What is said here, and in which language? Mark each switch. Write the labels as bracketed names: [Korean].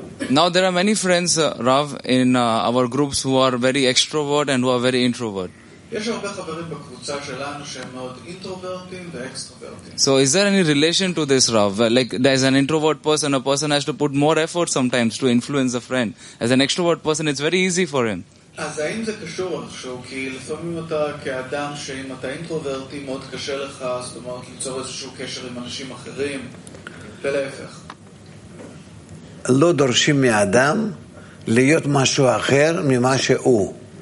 [English] Now there are many friends, Rav, in our groups who are very extrovert and who are very introvert. [Hebrew] יש הרבה חברים בקבוצה שלנו שהם מאוד אינטרוברטים ואקסטרוברטים. [English] So is there any relation to this, Rav? Like, as an introvert person, a person has to put more effort sometimes to influence a friend. As an extrovert person, it's very easy for him. [Hebrew] אז האם זה קשור עכשיו? כי לפעמים אתה כאדם שאם אתה אינטרוברטי, מאוד קשה לך, זאת אומרת, ליצור איזשהו קשר עם אנשים אחרים, ולהפך. לא דורשים מאדם להיות משהו אחר ממה שהוא.